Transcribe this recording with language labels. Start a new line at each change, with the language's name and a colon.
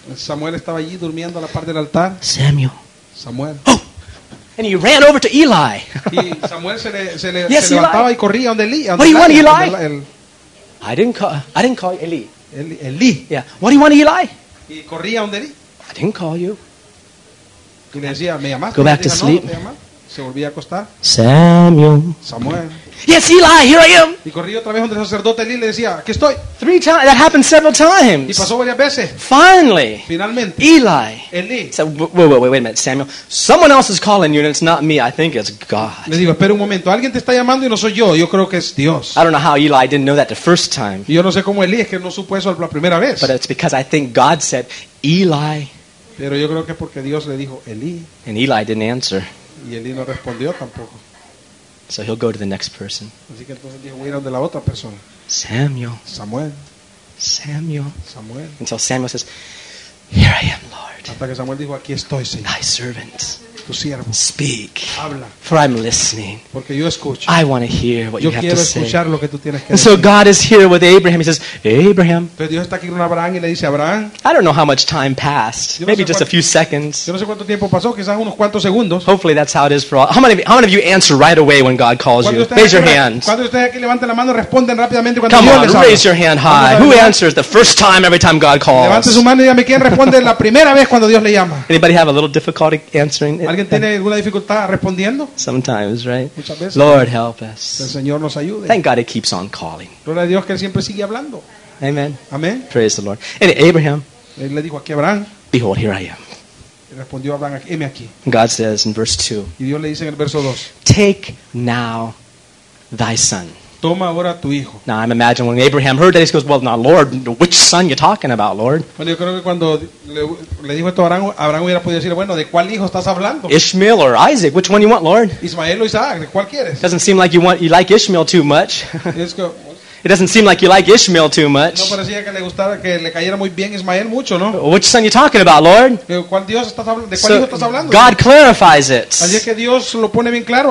Spanish: Samuel estaba allí durmiendo a la par del altar.
English: Samuel.
Spanish: Samuel.
English: Oh, and he ran over to Eli.
Spanish: Y Samuel se levantaba y corría donde Eli.
English: What do you want, Eli? I didn't call Eli.
Spanish: Eli.
English: Yeah. What do you want, Eli?
Spanish: Y corría donde Eli.
English: I didn't call you.
Spanish: Y le decía, me llamaste.
English: Go back to sleep.
Spanish: Se volvía a acostar.
English: Samuel.
Spanish: Samuel.
English: Yes, Eli, here I am.
Spanish: Y corría otra vez donde el sacerdote Eli le decía, aquí estoy.
English: Three times. That happened several times.
Spanish: Y pasó varias veces.
English: Finally.
Spanish: Finalmente.
English: Eli.
Spanish: Eli.
English: So, wait a minute, Samuel. Someone else is calling you, and it's not me. I think it's God.
Spanish: Le digo, espera un momento. Alguien te está llamando y no soy yo. Yo creo que es Dios.
English: I don't know how Eli didn't know that the first time.
Spanish: Yo no sé cómo Eli es que no supo eso la primera vez.
English: But it's because I think God said, Eli.
Spanish: Pero yo creo que es porque Dios le dijo, Eli.
English: And Eli didn't answer.
Spanish: Y Eli no respondió tampoco.
English: So he'll go to the next person.
Spanish: Así que entonces dijo, voy a ir a donde la otra persona.
English: Samuel.
Spanish: Samuel.
English: Samuel.
Spanish: Samuel.
English: Until Samuel says, here I am, Lord.
Spanish: Hasta que Samuel dijo, aquí estoy, Señor.
English: Thy servant.
Spanish: Tu siervo.
English: Speak.
Spanish: Habla.
English: For I'm listening.
Spanish: Porque yo escucho.
English: I want to hear what
Spanish: yo
English: you have to say.
Spanish: Yo quiero escuchar lo que tú tienes que
English: and
Spanish: decir.
English: And so God is here with Abraham. He says, Abraham.
Spanish: Entonces Dios está aquí con Abraham y le dice, Abraham.
English: I don't know how much time passed.
Spanish: No
English: maybe
Spanish: sé
English: just
Spanish: cuánto,
English: a few seconds.
Spanish: Yo no sé cuánto tiempo pasó, quizás unos cuantos segundos.
English: Hopefully that's how it is for all. How many of you answer right away when God calls you? Raise your hands.
Spanish: ¿Cuántos de ustedes aquí levanten la mano y responden rápidamente cuando
English: come
Spanish: Dios
English: on,
Spanish: les
English: come on, raise your hand high. Who answers the first time every time God calls?
Spanish: Levante su mano y dígame quién responde la primera vez cuando Dios le llama.
English: Anybody have a little difficulty answering?
Spanish: ¿Alguien tiene alguna dificultad respondiendo?
English: Sometimes, right?
Spanish: Muchas veces.
English: Lord, help us.
Spanish: El Señor nos ayude.
English: Thank God he keeps on calling.
Spanish: Gloria a Dios que él siempre sigue hablando.
English: Amen.
Spanish: Amen.
English: Praise the Lord. And Abraham.
Spanish: Él le dijo aquí a Abraham.
English: Behold, here I am.
Spanish: Respondió Abraham, heme aquí.
English: God says in verse 2.
Spanish: Y Dios le dice en el verso 2.
English: Take now thy son.
Spanish: Toma ahora tu hijo.
English: Now I'm imagining when Abraham heard that he goes, well, now Lord, which son you talking about, Lord?
Spanish: Bueno, yo creo que cuando le dijo esto a Abraham, Abraham hubiera podido decir, bueno, ¿de cuál hijo estás hablando?
English: Ishmael or Isaac, which one you want, Lord?
Spanish: Ismael o Isaac, ¿de cuál quieres?
English: Doesn't seem like you like Ishmael too much. It doesn't seem like you like Ishmael too much.
Spanish: No parecía que le gustara que le cayera muy bien Ismael mucho, ¿no?
English: Which son you talking about, Lord?
Spanish: ¿Cuál Dios estás hablando? ¿De cuál hijo estás hablando?
English: God clarifies it.
Spanish: Así es que Dios lo pone bien claro.